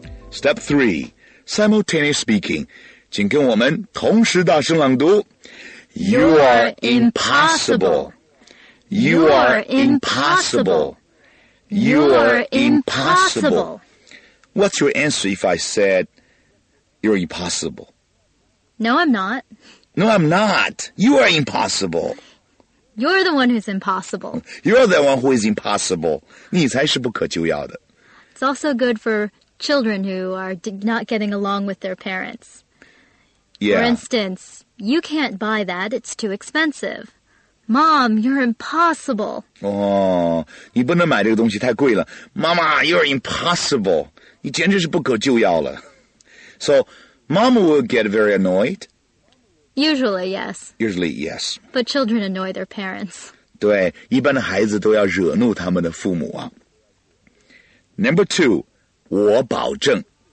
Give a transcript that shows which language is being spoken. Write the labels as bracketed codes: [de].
[en] Step 3, simultaneous speaking. [zh] 请跟我们同时大声朗读。 [en] You are impossible. You are impossible. You are impossible. What's your answer if I said you're impossible? No, I'm not. No, I'm not. You are impossible. You're the one who's impossible. You're the one who is impossible. [zh] 你才是不可救药的。 [en] It's also good for children who are not getting along with their parents. Yeah. For instance... You can't buy that. It's too expensive. Mom, you're impossible. [zh] Oh, 你不能买这个东西太贵了。妈妈 [en] you're impossible. [zh] 你简直是不可救药了。 [en] So, mom will get very annoyed? Usually, yes. Usually, yes. But children annoy their parents. [zh] 对,一般的孩子都要惹怒他们的父母啊。 [en] Number two, [zh] 我保证。